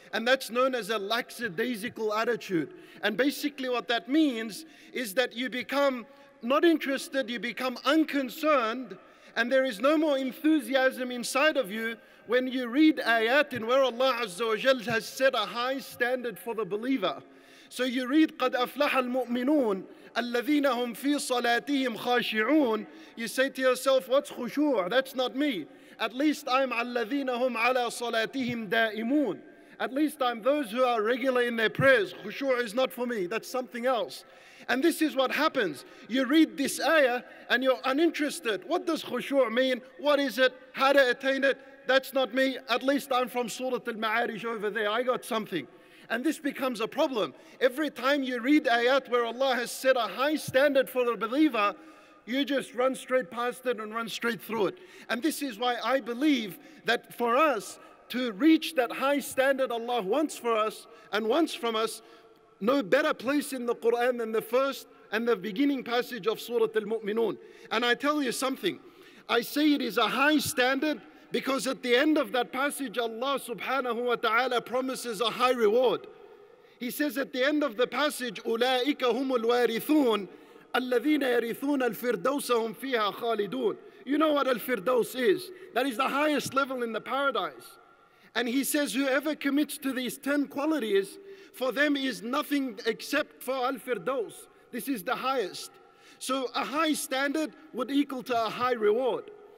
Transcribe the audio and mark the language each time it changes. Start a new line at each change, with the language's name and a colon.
English: And that's known as a lackadaisical attitude. And basically what that means is that you become not interested, you become unconcerned, and there is no more enthusiasm inside of you when you read ayat in where Allah Azza wa Jal has set a high standard for the believer. So you read,
Arabic: قَدْ أَفْلَحَ الْمُؤْمِنُونَ الَّذِينَ هُمْ فِي صَلَاتِهِمْ خَاشِعُونَ.
English: You say to yourself, what's khushu? That's not me. At least I'm
Arabic: الَّذِينَ هُمْ عَلَى صَلَاتِهِمْ دَائِمُونَ.
English: At least I'm those who are regular in their prayers. Khushu' is not for me, that's something else. And this is what happens. You read this ayah and you're uninterested. What does khushu' mean? What is it? How to attain it? That's not me. At least I'm from Surah Al-Ma'arij over there. I got something. And this becomes a problem. Every time you read ayat where Allah has set a high standard for the believer, you just run straight past it and run straight through it. And this is why I believe that for us, to reach that high standard Allah wants for us and wants from us, no better place in the Quran than the first and the beginning passage of Surah Al-Mu'minun. And I tell you something, I say it is a high standard because at the end of that passage, Allah subhanahu wa ta'ala promises a high reward. He says at the end of the passage,
Arabic: أُولَٰئِكَ هُمُ الْوَارِثُونَ الَّذِينَ يَرِثُونَ الْفِرْدَوْسَ هُمْ فِيهَا خَالِدُونَ.
English: You know what Al-Firdaus is? That is the highest level in the paradise. And he says, whoever commits to these 10 qualities, for them is nothing except for Al-Firdaus. This is the highest. So a high standard would equal to a high reward.